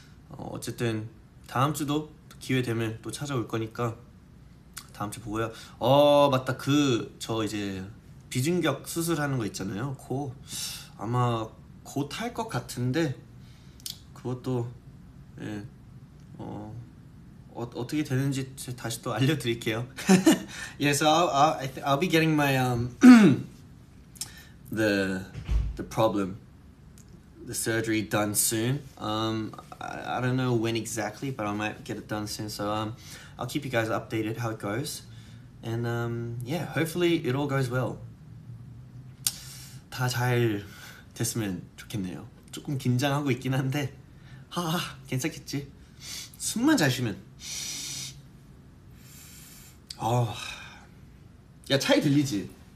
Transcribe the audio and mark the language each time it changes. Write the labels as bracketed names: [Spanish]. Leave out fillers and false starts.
[Korean] 어쨌든 다음 주도 기회 되면 또 찾아올 거니까 다음 주 보고요. 맞다. 저 이제 비중격 수술하는 거 있잖아요. 아마 곧 할 것 같은데 그것도 예, 어떻게 되는지 다시 또 알려드릴게요. [English] Yeah, so I'll be getting my the problem, the surgery done soon. I don't know when exactly, but I might get it done soon. So I'll keep you guys updated how it goes, and yeah, hopefully it all goes well. [Korean] 다 잘 됐으면 좋겠네요. 조금 긴장하고 있긴 한데 하하 괜찮겠지. 숨만 잘 쉬면. 야, 차이 들리지?